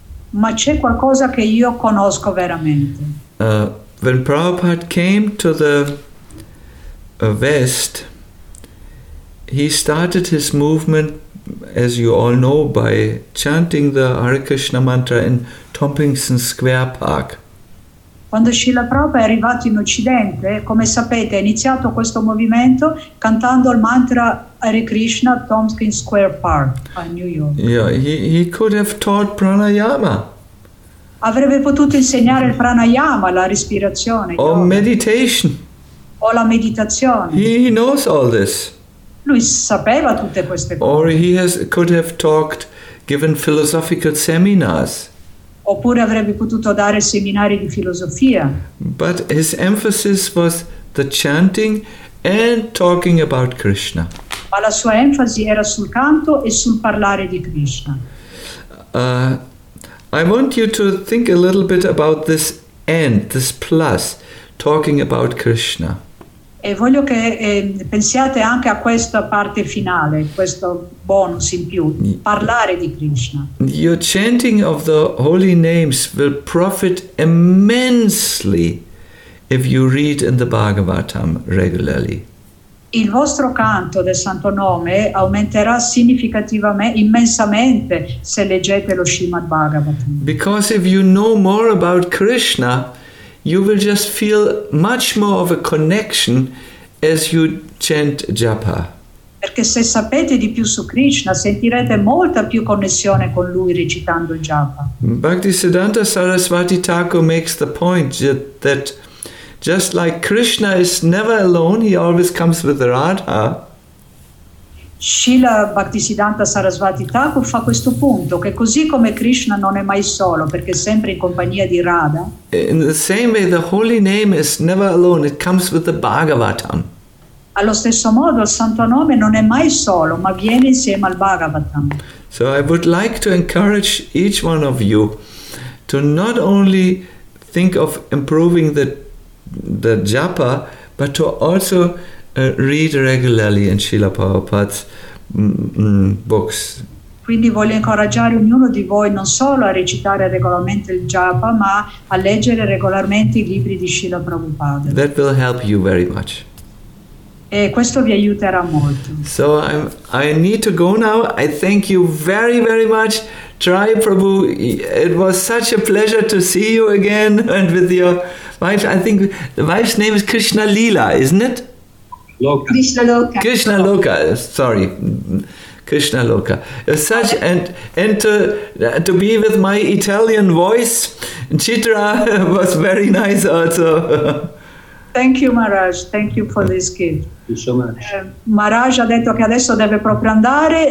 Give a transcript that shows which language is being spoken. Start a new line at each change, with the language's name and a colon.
Italian: Ma c'è qualcosa che io conosco veramente.
English: When Prabhupada came to the West, he started his movement, as you all know, by chanting the Hare Krishna mantra in Tompkinson Square Park.
Italian: Quando Srila Prabhupada è arrivato in Occidente, come sapete, ha iniziato questo movimento cantando il mantra Hare Krishna a Tompkins Square Park a New York.
English: Yeah, he could have taught pranayama.
Italian: Avrebbe potuto insegnare il pranayama, la respirazione.
English: Or meditation.
Italian: O la meditazione.
English: He knows all this.
Italian: Lui sapeva tutte queste cose.
English: Or he has, could have talked, given philosophical seminars.
Italian: Oppure avrebbe potuto dare seminari di filosofia.
English: But his emphasis was the chanting and talking about Krishna.
Italian: Ma la sua enfasi era sul canto e sul parlare di Krishna.
English: I want you to think a little bit about this and, this plus, talking about Krishna.
Italian: E voglio che pensiate anche a questa parte finale, questo bonus in più, parlare di Krishna.
English: Your chanting of the holy names will profit immensely if you read in the Bhagavatam regularly.
Italian: Il vostro canto del santo nome aumenterà significativamente, immensamente, se leggete lo Srimad Bhagavatam.
English: Because if you know more about Krishna, you will just feel much more of a connection as you chant japa.
Italian: Perché se sapete di più su Krishna, sentirete molta più connessione con lui recitando il japa.
English: Bhaktisiddhanta Saraswati Thakur makes the point that just like Krishna is never alone, he always comes with Radha.
Italian: Srila Bhaktisiddhanta Saraswati Thakur fa questo punto, che così come Krishna non è mai solo, perché è sempre in compagnia di Radha.
English: In the same way, the holy name is never alone, it comes with the Bhagavatam.
Italian: Allo stesso modo, il santo nome non è mai solo, ma viene insieme al Bhagavatam.
English: So I would like to encourage each one of you to not only think of improving the japa, but to also read regularly in Srila Prabhupada's books.
Italian: Quindi voglio incoraggiare ognuno di voi non solo a recitare regolarmente il japa, ma a leggere regolarmente i libri di Srila Prabhupada.
English: That will help you very much.
Italian: E questo vi aiuterà molto.
English: So I need to go now. I thank you very, very much. Try Prabhu, it was such a pleasure to see you again and with your wife. I think the wife's name is Krishna Lila, isn't it? Loka. Krishna Loka. Krishna Loka, sorry. Krishna Loka. Such, and to be with my Italian voice, Chitra was very nice also. Thank you, Maharaj. Thank you for this gift. Thank you so much.
Italian: Maharaj ha detto che adesso deve proprio andare.